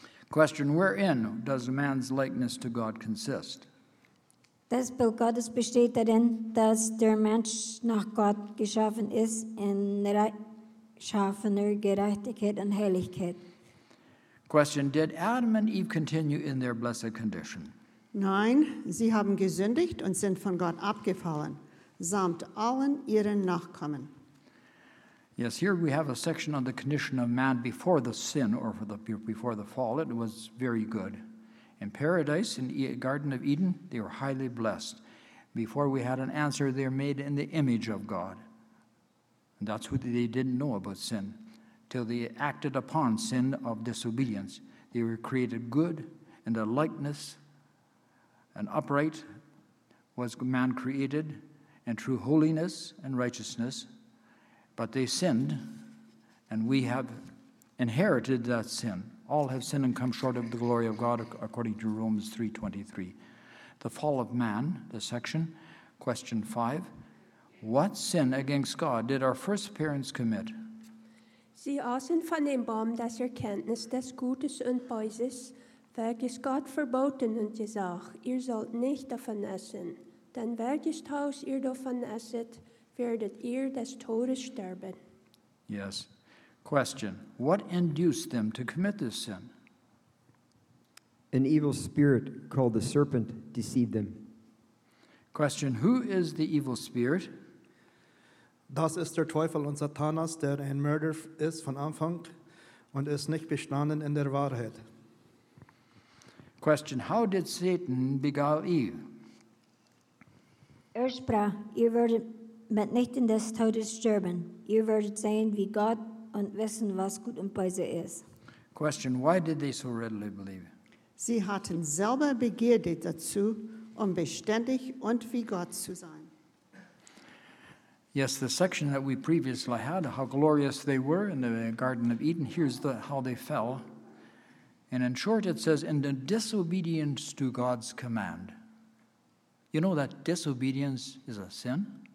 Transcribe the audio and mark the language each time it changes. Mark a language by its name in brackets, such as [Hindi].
[English] Question, wherein does man's likeness to God consist? [German] Das Bild Gottes besteht darin, dass der Mensch nach Gott geschaffen ist in rechtschaffener Gerechtigkeit und Heiligkeit. [English] Question, did Adam and Eve continue in their blessed condition? [German] Nein, sie haben gesündigt und sind von Gott abgefallen, samt allen ihren Nachkommen. [English] Yes, here we have a section on the condition of man before the sin, or before the fall. It was very good. In paradise, in the Garden of Eden, they were highly blessed. Before we had an answer, they were made in the image of God. And that's who they didn't know about sin, till they acted upon sin of disobedience. They were created good, and the likeness and upright was man created, and true holiness and righteousness. But they sinned, and we have inherited that sin. All have sinned and come short of the glory of God, according to Romans 3:23. The fall of man, the section, question 5. What sin against God did our first parents commit? [German] Sie aßen von dem Baum des Erkenntnis des Gutes und Böses, welches Gott verboten und gesagt, ihr sollt nicht davon essen. Denn welches Haus ihr davon esset, werdet ihr des Todes sterben. [English] Yes. Question, what induced them to commit this sin? An evil spirit called the serpent deceived them. Question, who is the evil spirit? [German] Das ist der Teufel und Satanas, der ein Mörder ist von Anfang und ist nicht bestanden in der Wahrheit. [English] Question: How did Satan beguile Eve? [German] Er sprach, ihr werdet mitnichten des Todes sterben. Ihr werdet sehen wie Gott und wissen, was gut und böse ist. [English] Question: Why did they so readily believe? [German] Sie hatten selber Begierde dazu, um beständig und wie Gott zu sein. [English] Yes, the section that we previously had, how glorious they were in the Garden of Eden, here's the, how they fell. And in short, it says, in the disobedience to God's command. You know that disobedience is a sin?